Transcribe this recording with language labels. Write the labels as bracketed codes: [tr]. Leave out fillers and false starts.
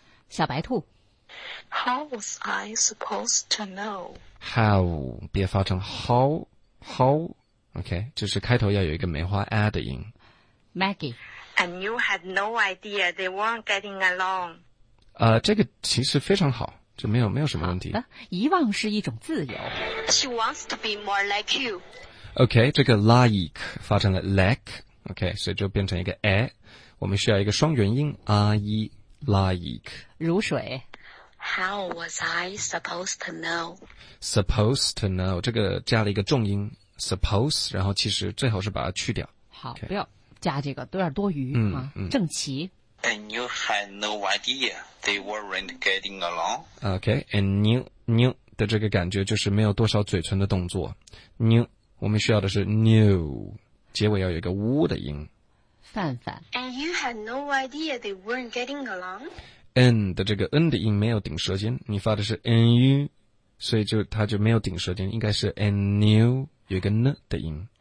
[zh] 小白兔， [en] How was I supposed to know? [zh] How, 别发成 how, OK, 就是开头要有一个梅花 a 的音。 [en] Maggie, And you had no idea they weren't getting along. [zh] 这个其实非常好，就没有什么问题。好的，遗忘是一种自由。 [en] She wants to be more like you. [zh] OK, 这个 like 发成了 like, OK, 所以就变成一个 a, 我们需要一个双元音 ,re, like. 如水。 [en] How was I supposed to know? [zh] Supposed to know, 这个加了一个重音 suppose, 然后其实最好是把它去掉。好、 [en] okay. [zh] 不要加这个，有点多余、正齐。 [en] And you had no idea they weren't getting along. [zh] Okay, and new 的这个感觉就是没有多少嘴唇的动作。 New, 我们需要的是 new, 结尾要有一个呜的音。范范。 [en] And you had no idea they weren't getting along? [zh] N 的这个 N 的音没有顶舌尖，你发的是 NU, 所以它就没有顶舌尖，应该是 NU, 有一个 N 的音。